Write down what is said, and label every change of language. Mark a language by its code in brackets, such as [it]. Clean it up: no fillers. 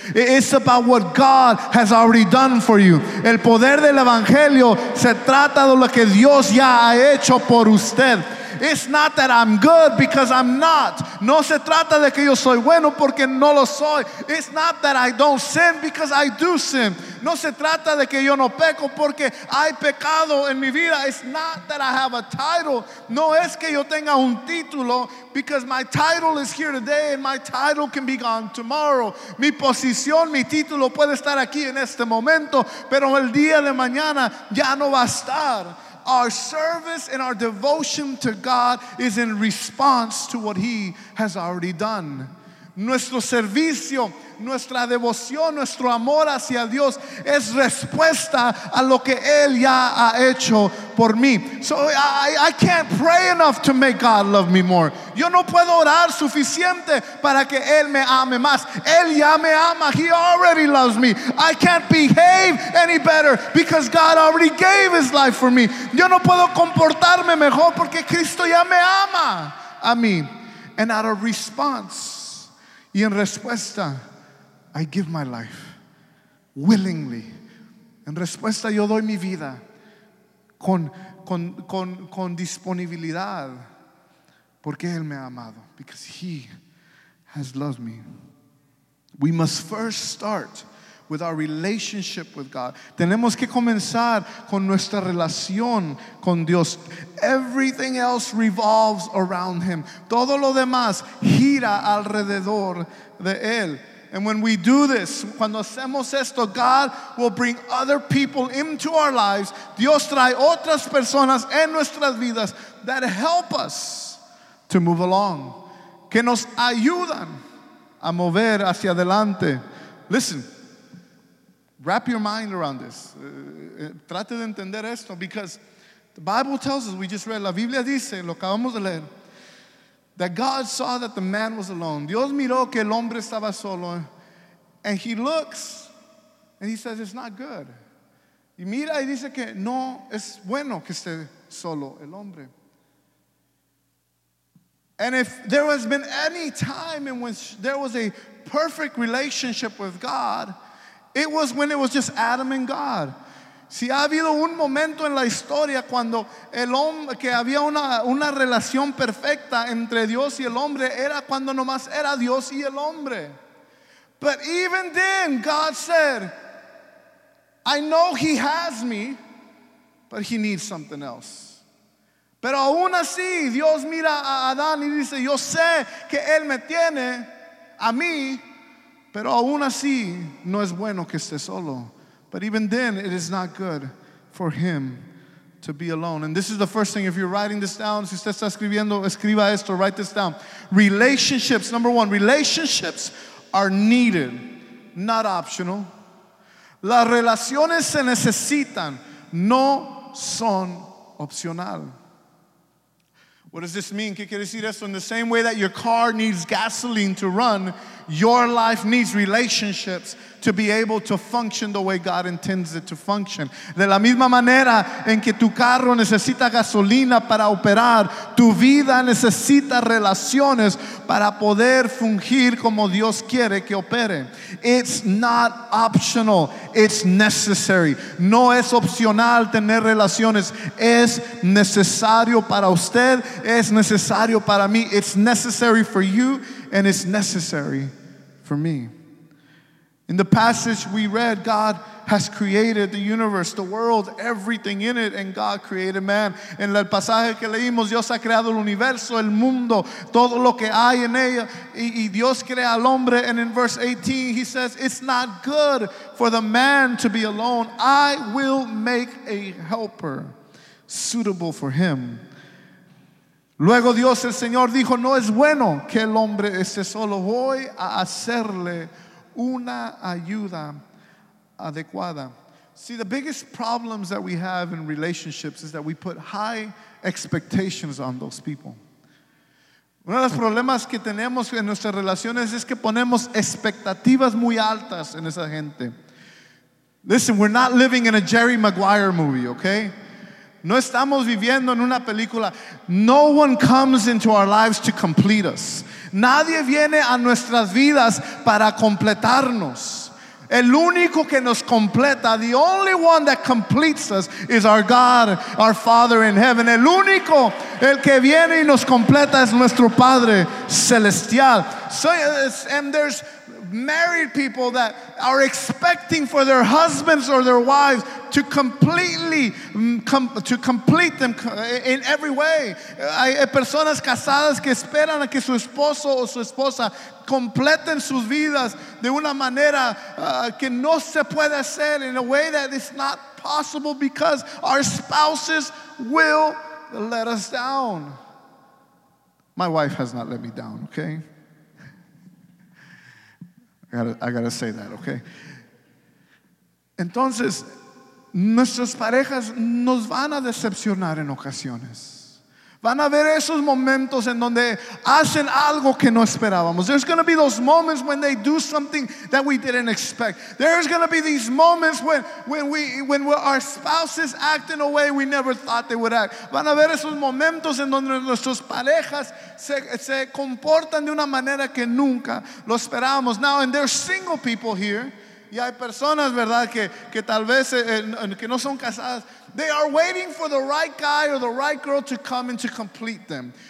[en] It's about what God has already done for you. [es] El poder del evangelio se trata de lo que Dios ya ha hecho por usted. [en] It's not that I'm good because I'm not. [es] No se trata de que yo soy bueno porque no lo soy. [en] It's not that I don't sin because I do sin. [es] No se trata de que yo no peco porque hay pecado en mi vida. [en] It's not that I have a title. [es] No es que yo tenga un título, [en] because my title is here today and my title can be gone tomorrow. [es] Mi posición, mi título puede estar aquí en este momento, pero el día de mañana ya no va a estar. [en] Our service and our devotion to God is in response to what he has already done. [es] Nuestro servicio, nuestra devoción, nuestro amor hacia Dios es respuesta a lo que él ya ha hecho por mí. [en] So I can't pray enough to make God love me more. [es] Yo no puedo orar suficiente para que él me ame más. Él ya me ama. [en] He already loves me. I can't behave any better because God already gave his life for me. [es] Yo no puedo comportarme mejor porque Cristo ya me ama a mí. [en] And out of response, [es] y en respuesta, [en] I give my life willingly. [es] En respuesta, yo doy mi vida con disponibilidad. Porque Él me ha amado. [en] Because He has loved me. We must first start with our relationship with God. [es] Tenemos que comenzar con nuestra relación con Dios. [en] Everything else revolves around Him. [es] Todo lo demás gira alrededor de Él. [en] And when we do this, [es] cuando hacemos esto, [en] God will bring other people into our lives. [es] Dios trae otras personas en nuestras vidas [en] that help us to move along. [es] Que nos ayudan a mover hacia adelante. [en] Listen. Wrap your mind around this. [es] Trate de entender esto, [en] because the Bible tells us, we just read, [es] la Biblia dice, lo acabamos de leer, [en] that God saw that the man was alone. [es] Dios miró que el hombre estaba solo, [en] and He looks, and He says, it's not good. [es] Y mira y dice que no es bueno que esté solo el hombre. [en] And if there has been any time in which there was a perfect relationship with God, it was when it was just Adam and God. [es] Si ha habido un momento en la historia cuando el hombre, que había una relación perfecta entre Dios y el hombre, era cuando nomás era Dios y el hombre. [en] But even then, God said, I know He has me, but He needs something else. [es] Pero aún así, Dios mira a Adán y dice, yo sé que Él me tiene a mí, pero aún así, no es bueno que esté solo. [en] But even then, it is not good for him to be alone. And this is the first thing. If you're writing this down, [es] si usted está escribiendo, escriba esto, [en] write this down. Relationships, number one, relationships are needed, not optional. [es] Las relaciones se necesitan, no son opcional. [en] What does this mean? [es] ¿Qué quiere decir esto? [en] In the same way that your car needs gasoline to run, your life needs relationships to be able to function the way God intends it to function. [es] De la misma manera en que tu carro necesita gasolina para operar, tu vida necesita relaciones para poder fungir como Dios quiere que opere. [en] It's not optional, it's necessary. [es] No es opcional tener relaciones, es necesario para usted, es necesario para mí. [en] It's necessary for you, and it's necessary for me. In the passage we read, God has created the universe, the world, everything in it, and God created man. [es] En el pasaje que leímos, Dios ha creado el universo, el mundo, todo lo que hay en ella, y Dios crea al hombre. [en] And in verse 18, He says, it's not good for the man to be alone. I will make a helper suitable for him. [es] Luego Dios, el Señor, dijo, no es bueno que el hombre esté solo. Voy a hacerle una ayuda adecuada. [en] See, the biggest problems that we have in relationships is that we put high expectations on those people. [es] Uno de los problemas que tenemos en nuestras relaciones es que ponemos expectativas muy altas en esa gente. [en] Listen, we're not living in a Jerry Maguire movie, okay? [es] No estamos viviendo en una película. [en] No one comes into our lives to complete us. [es] Nadie viene a nuestras vidas para completarnos. El único que nos completa, [en] the only one that completes us, is our God, our Father in heaven. [es] El único, el que viene y nos completa, es nuestro Padre Celestial. [en] So, and there's married people that are expecting for their husbands or their wives to complete them in every way. [es] Hay personas casadas que esperan a que su esposo o su esposa completen sus vidas de una manera que no se puede hacer, [en] in a way that is not possible, because our spouses will let us down. My wife has not let me down, okay? I gotta say that, okay? [es] Entonces, nuestras parejas nos van a decepcionar en ocasiones. Van a haber esos momentos en donde hacen algo que no esperábamos. [en] There's going to be those moments when they do something that we didn't expect. There's going to be these moments when our spouses act in a way we never thought they would act. [es] Van a haber esos momentos en donde nuestras parejas se comportan de una manera que nunca lo esperábamos. [en] Now, and there's single people here, [es] y hay personas, verdad, que tal vez que no son casadas. [en] They are waiting for the right guy or the right girl to come and to complete them.